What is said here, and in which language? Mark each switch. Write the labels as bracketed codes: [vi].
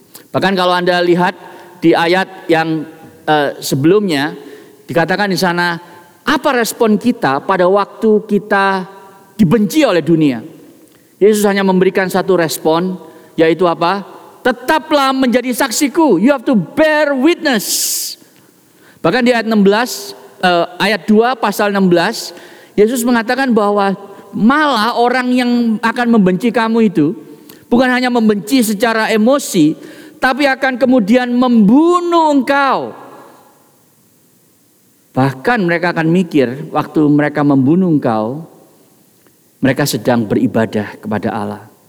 [id] Bahkan kalau Anda lihat di ayat yang sebelumnya, dikatakan di sana, apa respon kita pada waktu kita dibenci oleh dunia? Yesus hanya memberikan satu respon, yaitu apa? Tetaplah menjadi saksiku. [en] You have to bear witness. [id] Bahkan di ayat 16, ayat 2 pasal 16, Yesus mengatakan bahwa malah orang yang akan membenci kamu itu bukan hanya membenci secara emosi, tapi akan kemudian membunuh engkau. Bahkan mereka akan mikir, waktu mereka membunuh engkau, mereka sedang beribadah kepada Allah.